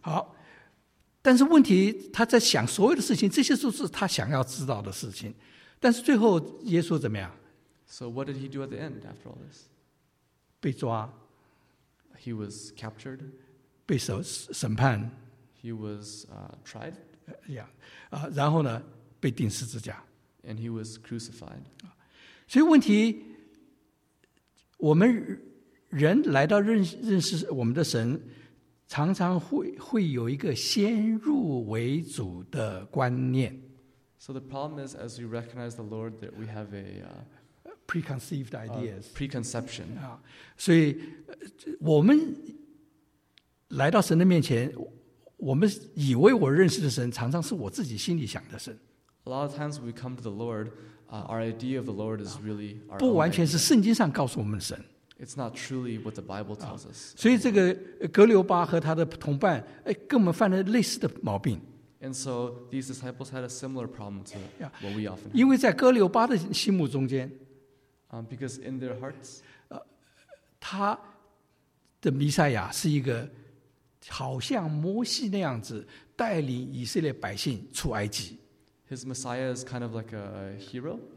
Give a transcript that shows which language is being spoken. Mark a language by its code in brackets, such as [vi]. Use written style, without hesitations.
[zh] 好，但是问题他在想所有的事情，这些都是他想要知道的事情，但是最后耶稣怎么样？ [en] So what did he do at the end after all this? [zh] 被抓。 [en] He was captured. [zh] 被审判。 [en] He was tried. [zh] Yeah. 然后呢，被钉十字架。 [en] And he was crucified. [zh] 所以问题，我们人来到认识我们的神，常常 会有一个先入为主的观念。 [en] So the problem is, as we recognize the Lord, that we have a preconceived ideas, preconception. [zh] 所以我们来到神的面前，我们以为我认识的神，常常是我自己心里想的神。 [en] A lot of times we come to the Lord, our idea of the Lord is really our own idea. [zh] 不完全是圣经上告诉我们的神。 [en] It's not truly what the Bible tells us. [zh] 所以这个格留巴和他的同伴，跟我们犯了类似的毛病。 [en] And so these disciples had a similar problem to what we often have. [zh] 因为在哥留巴的心目中间， [en] because in their hearts, [zh] 他的弥赛亚是一个好像摩西那样子带领以色列百姓出埃及。 [en] His Messiah is kind of like a hero.